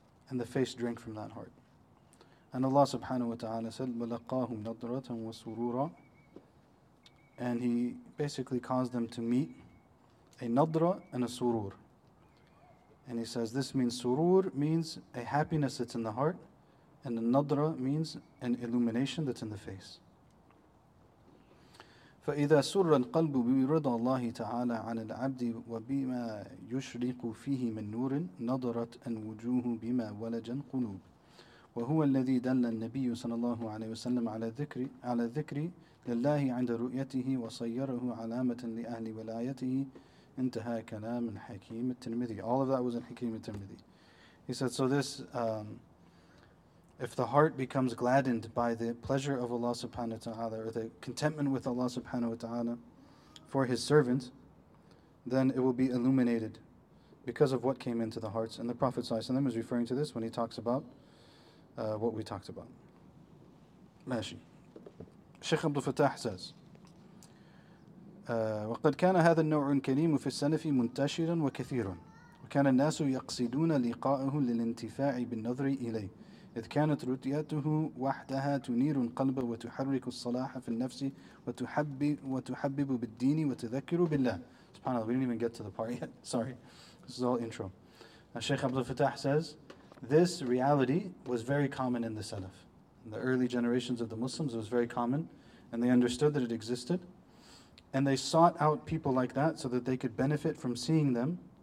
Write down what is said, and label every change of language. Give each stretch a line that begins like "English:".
English: And the face drank from that heart. And Allah subhanahu wa ta'ala said,
Arabic: وَلَقَّاهُمْ نَضْرَةً وَسُرُورًا.
English: And He basically caused them to meet a nadra and a surur. And He says, this means surur means a happiness that's in the heart, and a nadra means an illumination that's in the face.
Arabic: فإذا سر القلب برضا الله تعالى عن العبد وبما يشرق فيه من نور نضرت الوجوه بما ولج القلوب وهو الذي دل النبي صلى الله عليه وسلم على ذكر لله عند رؤيته وصيره علامة لأهل ولايته انتهى كلام الحكيم الترمذي.
English: All of that was in Hakim al-Tirmidhi. He said, so this, if the heart becomes gladdened by the pleasure of Allah subhanahu wa ta'ala, or the contentment with Allah subhanahu wa ta'ala for His servant, then it will be illuminated because of what came into the hearts. And the Prophet sallallahu alaihi wasallam is referring to this when he talks about what we talked about.
Arabic: Mashi.
English: Sheikh Abdul Fattah says,
Arabic: وَقَدْ كَانَ هَذَا النَّوْعُ الْكَرِيمُ فِي السَّلَفِ مُنْتَشِرًا وَكَثِيرًا وَكَانَ النَّاسُ يَقْصِدُونَ لِقَاءَهُ لِلْانْتِفَاعِ بِالنَّظْرِ إِلَيْهِ إذ كانت رؤيته وحدها تنير القلب وتحرك الصلاح في النفس وتحبب بالدين وتذكر بالله.
English: SubhanAllah, we didn't even get to the part yet. Sorry. This is all intro. Now, Shaykh Abdul Fattah says, this reality was very common in the Salaf. In the early generations of the Muslims, it was very common. And they understood that it existed. And they sought out people like that so that they could benefit from seeing them.